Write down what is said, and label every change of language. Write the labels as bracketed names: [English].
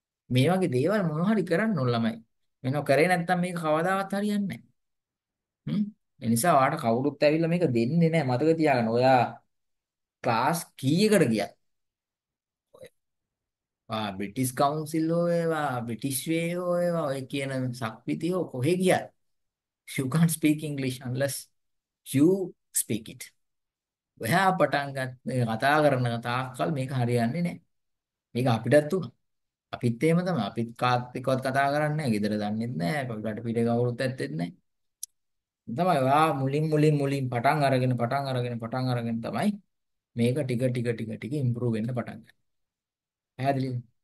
[Sinhala] මේ වගේ දේවල් මොනව හරි කරන්න ඕන ළමයි. මේක කරේ නැත්නම් මේක කවදාවත් හරියන්නේ නැහැ. එනිසා ඔයාට කවුරුත් ඇවිල්ලා මේක දෙන්නේ නැහැ. මතක තියාගන්න ඔයා ක්ලාස් කීයකට ගියා? ආ බ්‍රිටිෂ් කවුන්සිල් හෝ ඒවා බ්‍රිටිෂ් වේ හෝ ඒවා ඔය කියන සක්විති හෝ කොහේ ගියා? [English] You can't speak English unless you speak it. [Sinhala] ඔයා පටන් ගත්ත කතා කරන තාක්කල් මේක හරියන්නේ නැහැ. මේක අපිටත් තුන. අපිත් එහෙම තමයි. අපිත් කාත් එක්කවත් කතා කරන්නේ නැහැ. ගෙදර දන්නෙත් නැහැ. අපිට පිට කවුරුත් ඇත්තෙත් නැහැ. තමයි ඔයා මුලින් මුලින් මුලින් පටන් අරගෙන පටන් අරගෙන පටන් අරගෙන තමයි මේක ටික ටික ටික ටික ඉම්ප්‍රූව් වෙන්න පටන් ගන්න. පැහැදිලිද?